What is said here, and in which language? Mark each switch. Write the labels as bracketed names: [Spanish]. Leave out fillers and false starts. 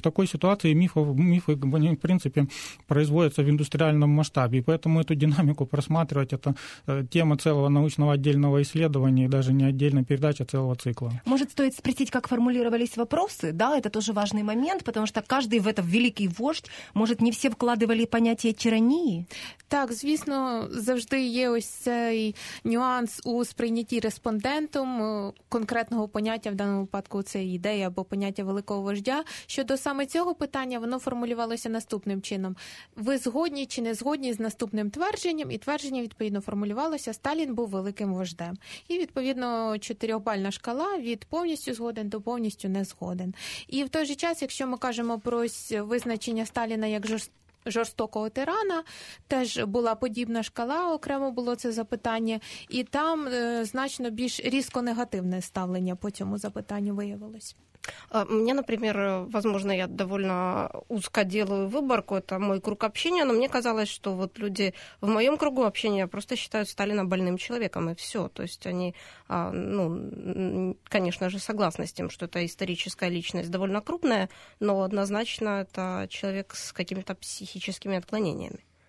[Russian] И в такой ситуации мифы, в принципе, производятся в индустриальном масштабе. И поэтому эту динамику просматривать — это тема целого научного отдельного исследования, и даже не отдельная передача, а целого цикла. Может, стоит спросить, как формулировались вопросы? Да, это тоже важный момент, потому что каждый в этот великий вождь, может, не все вкладывали понятие тирании? [Ukrainian] Так, звісно, завжди є ось цей нюанс у сприйнятті респондентом конкретного поняття, в даному випадку це ідея або поняття великого вождя. Щодо саме цього питання, воно формулювалося наступним чином. Ви згодні чи не згодні з наступним твердженням? І твердження, відповідно, формулювалося: Сталін був великим вождем. І, відповідно, 4-бальна шкала від повністю згоден до повністю не згоден. І в той же час, якщо ми кажемо про визначення Сталіна як жорстокого тирана, теж була подібна шкала, окремо було це запитання, і там значно більш різко негативне ставлення по цьому запитанню виявилось. [Russian] Мне, например, возможно, я довольно узко делаю выборку, это мой круг общения, но мне казалось, что вот люди в моем кругу общения просто считают Сталина больным человеком, и все. То есть они, ну, конечно же, согласны с тем, что это историческая личность довольно крупная, но однозначно это человек с какими-то психическими отклонениями.